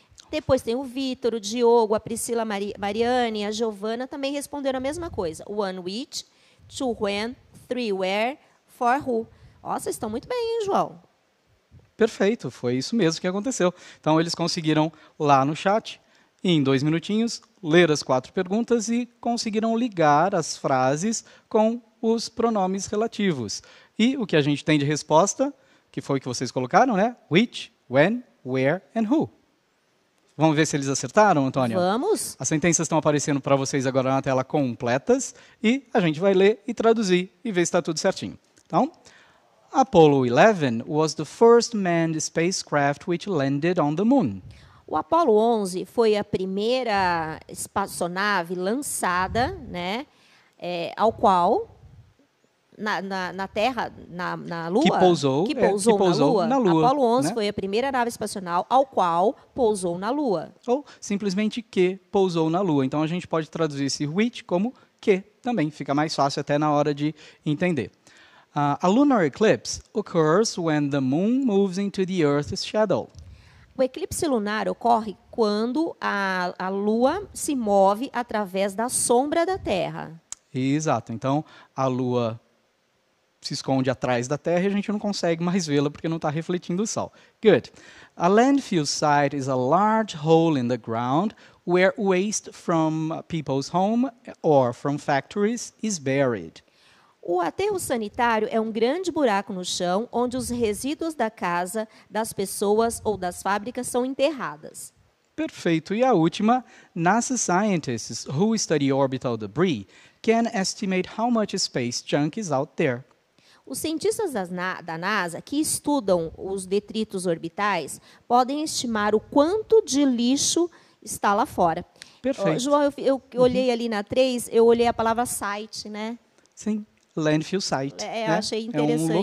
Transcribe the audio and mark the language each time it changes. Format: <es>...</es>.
<pt>Depois tem o Vitor, o Diogo, a Priscila Mariane, a Giovana também responderam a mesma coisa.</pt> <en>One which, two when, three where, for who.</en> <pt>Nossa, estão muito bem, hein, João? Perfeito, foi isso mesmo que aconteceu. Então, eles conseguiram lá no chat, em 2 minutinhos, ler as 4 perguntas e conseguiram ligar as frases com os pronomes relativos. E o que a gente tem de resposta, que foi o que vocês colocaram, né? Which, when, where and who. Vamos ver se eles acertaram, Antônio? Vamos. As sentenças estão aparecendo para vocês agora na tela completas e a gente vai ler e traduzir e ver se está tudo certinho.</pt> <en>Então, Apollo 11 was the first manned spacecraft which landed on the moon.</en> <pt>O Apollo 11 foi a primeira espaçonave lançada, né, ao qual... Na Terra, na Lua? Que pousou na Lua. Apollo 11, né? Foi a primeira nave espacial ao qual pousou na Lua. Ou simplesmente que pousou na Lua. Então, a gente pode traduzir esse which como que também. Fica mais fácil até na hora de entender.</pt> <en>A lunar eclipse occurs when the moon moves into the Earth's shadow.</en> <pt>O eclipse lunar ocorre quando a Lua se move através da sombra da Terra. Exato. Então, a Lua... se esconde atrás da Terra e a gente não consegue mais vê-la porque não está refletindo o Sol.</pt> <en>Good. A landfill site is a large hole in the ground where waste from people's home or from factories is buried.</en> <pt>O aterro sanitário é um grande buraco no chão onde os resíduos da casa, das pessoas ou das fábricas são enterradas. Perfeito. E a última,</pt> <en>NASA scientists who study orbital debris can estimate how much space junk is out there.</en> <pt>Os cientistas da NASA que estudam os detritos orbitais podem estimar o quanto de lixo está lá fora. Perfeito. João, eu olhei ali na 3, eu olhei a palavra site, né? Sim, landfill site. É, né? Eu achei interessante</pt>